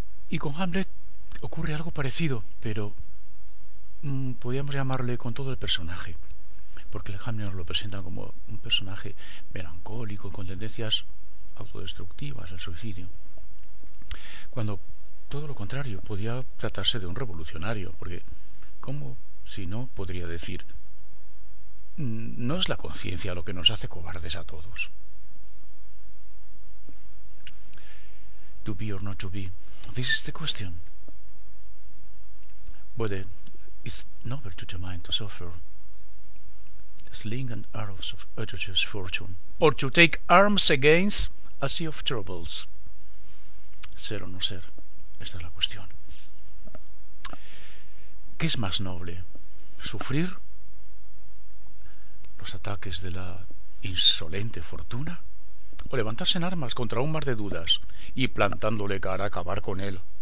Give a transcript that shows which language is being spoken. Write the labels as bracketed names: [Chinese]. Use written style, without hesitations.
[Spanish] Y con Hamlet ocurre algo parecido, pero podríamos llamarle con todo el personaje, porque el Hamlet nos lo presenta como un personaje melancólico, con tendencias autodestructivas, al suicidio. Cuando todo lo contrario, podía tratarse de un revolucionario, porque ¿cómo si no podría decir? No es la conciencia lo que nos hace cobardes a todos. [English] To be or not to be, this is the question. Whether it's noble to the mind to suffer the sling and arrows of adventurous fortune, or to take arms against a sea of troubles. [Spanish] Ser o no ser, esta es la cuestión. ¿Qué es más noble? ¿Sufrir los ataques de la insolente fortuna? ¿O levantarse en armas contra un mar de dudas y plantándole cara a acabar con él?